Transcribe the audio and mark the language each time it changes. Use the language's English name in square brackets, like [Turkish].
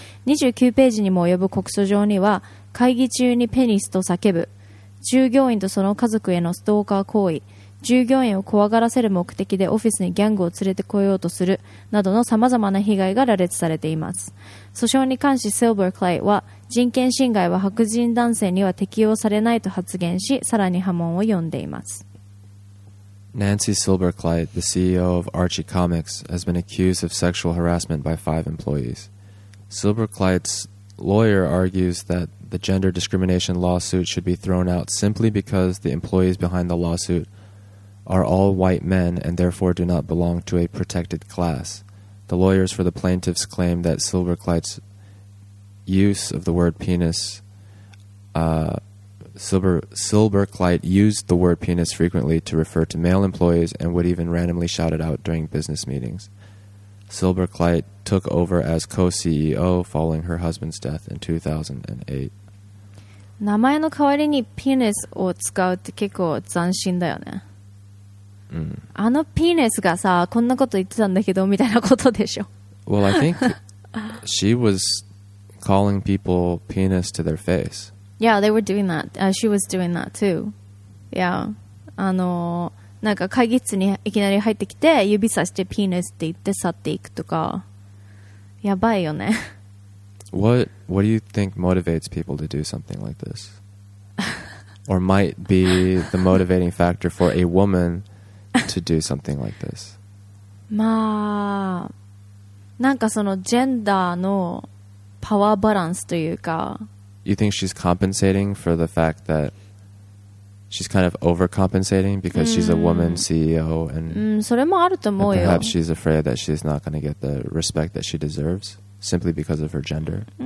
[Japanese] 29ページにも及ぶ告訴状には、会議中にペニスと叫ぶ、従業員とその家族へのストーカー行為、従業員を怖がらせる目的でオフィスにギャングを連れてこようとするなどの様々な被害が羅列されています。訴訟に関しシルバー・クレイは、人権侵害は白人男性には適用されないと発言し、さらに波紋を呼んでいます。 [English] Nancy Silberkleit, the CEO of Archie Comics, has been accused of sexual harassment by 5 employees. Silberkleit's lawyer argues that the gender discrimination lawsuit should be thrown out simply because the employees behind the lawsuit are all white men and therefore do not belong to a protected class. The lawyers for the plaintiffs claim that Silberkleit's use of the word penis, Silberkleit used the word penis frequently to refer to male employees and would even randomly shout it out during business meetings. Silberkleit took over as co-CEO following her husband's death in 2008. [Japanese] 名前の代わりにペニスを使うって結構斬新だよね。うん、あのピーネスがさ、こんなこと言ってたんだけどみたいなことでしょ。 [English] Well, I think she was calling people penis to their face. Yeah, they were doing that. She was doing that too. Yeah. [Japanese] なんか会議室にいきなり入ってきて指さしてピーネスって言って去っていくとか、やばいよね。 [English] What do you think motivates people to do something like this? Or might be the motivating factor for a womanto do something like this. [Japanese] まあ、なんかそのジェンダーのパワーバランスというか。 [English] You think she's compensating for the fact that she's kind of overcompensating because she's a woman CEO and. [Japanese] それもあると思うよ。 [English] Perhaps she's afraid that she's not going to get the respect that she deserves simply because of her gender.